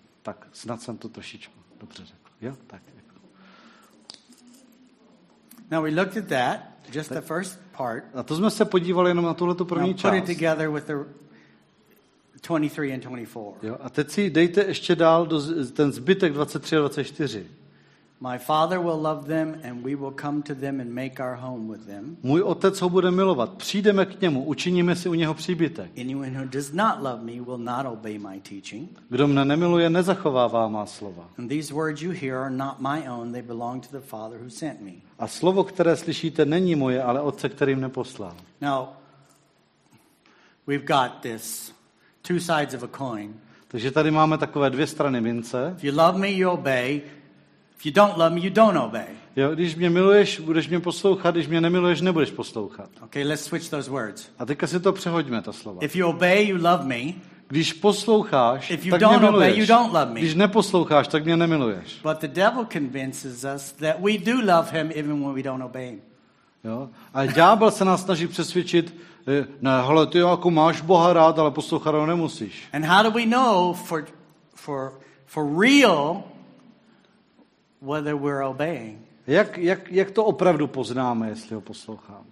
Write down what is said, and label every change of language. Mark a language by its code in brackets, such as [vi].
[cs] Tak snad jsem to trošičku dobře řekl. Jo, tak. [en] Now we looked at that, just the first part. [cs] A to jsme se podívali jenom na tuhle tu první část. [en] Put it together with the 23 and 24. [cs] Jo, a teď si dejte ještě dál ten zbytek 23 a 24. [en] My father will love them and we will come to them and make our home with them. [cs] Můj otec ho bude milovat. Přijdeme k němu, učiníme si u něho příbytek. [en] Anyone who does not love me will not obey my teaching. [cs] Kdo mne nemiluje, nezachovává má slova. [en] And these words you hear are not my own, they belong to the father who sent me. [cs] A slovo, které slyšíte, není moje, ale otce, který mne poslal. [en] Now, we've got this two sides of a coin. [cs] Takže tady máme takové dvě strany mince. [en] If you love me, you obey. If you don't love me, you don't obey. [cs] Jo, když mě miluješ, budeš mě poslouchat, když mě nemiluješ, nebudeš poslouchat. [en] Okay, let's switch those words. [cs] A teďka si to přehoďme, ta slova. [en] If you obey, you love me. [cs] Když posloucháš, [en] if you don't obey, you don't love me. [cs] Když neposloucháš, tak mě nemiluješ. [en] But the devil convinces us that we do love him even when we don't obey him. [cs] Jo, a ďábel se nás snaží přesvědčit, ne, hele, ty jako máš Boha rád, ale poslouchat ho nemusíš. [en] And how do we know for real whether we're obeying. [cs] Jak to opravdu poznáme, jestli ho posloucháme?